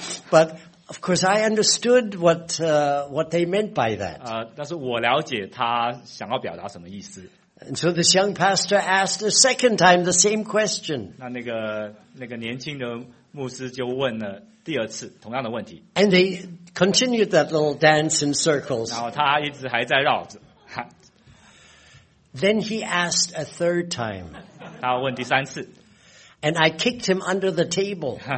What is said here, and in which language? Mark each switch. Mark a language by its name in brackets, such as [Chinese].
[English] But of course, I understood what they meant by that. [Chinese] 但是我了解他想要表达什么意思。 [English] And so this young pastor asked a second time the same question. [Chinese] 那个年轻的牧师就问了第二次同样的问题。 [English] And they continued that little dance in circles. [Chinese] 然后他一直还在绕着。 [English] Then he asked a third time. [Chinese] 他问第三次。 [English] And I kicked him under the table.